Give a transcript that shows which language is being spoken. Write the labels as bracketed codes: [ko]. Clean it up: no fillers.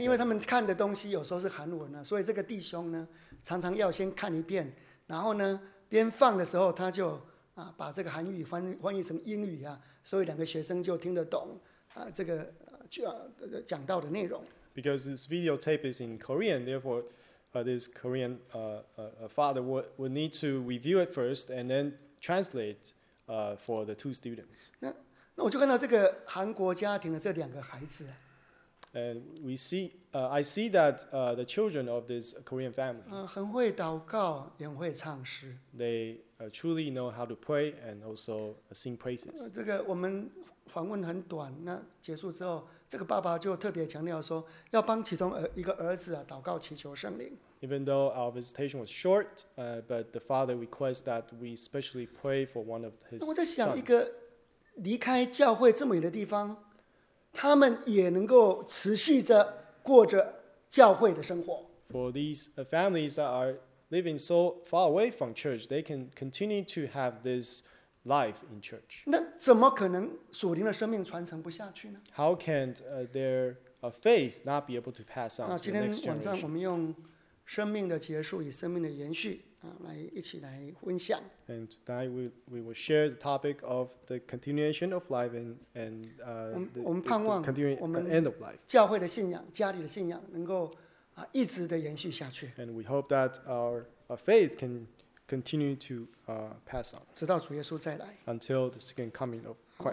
[zh] 因为他们看的东西有时候是韩文所以这个弟兄呢，常常要先看一遍，然后呢，边放的时候他就把这个韩语翻译成英语所以两个学生就听得懂这个讲到的内容。 [en] Because this videotape is in Korean, therefore. This Korean father would need to review it first and then translate for the two students. [zh] 那我就看到这个韩国家庭的这两个孩子。 [en] And we see, I see that the children of this Korean family. [zh] 很会祷告，也很会唱诗。 [en] They truly know how to pray and also sing praises. [zh] 这个我们访问很短，那结束之后。这个爸爸就特别强调说，要帮其中一个儿子祷告祈求圣灵。 [en] Even though our visitation was short, but the father requests that we specially pray for one of his sons. [zh] 我在想，一个离开教会这么远的地方，他们也能够持续着过着教会的生活。 [en] For these families that are living so far away from church, they can continue to have this. Life in church. [zh] 那怎么可能属灵的生命传承不下去呢 [en] ？How can their faith not be able to pass on to the next generation? [zh] 今天晚上我们用生命的结束与生命的延续来一起来分享。 [en] And tonight we will share the topic of the continuation of life and the end of life. [zh] 教会的信仰，家里的信仰能够一直的延续下去。 [en] And we hope that our faith can continue to pass on. [zh] 直到主耶稣再来。 [en] Until the second coming of Christ.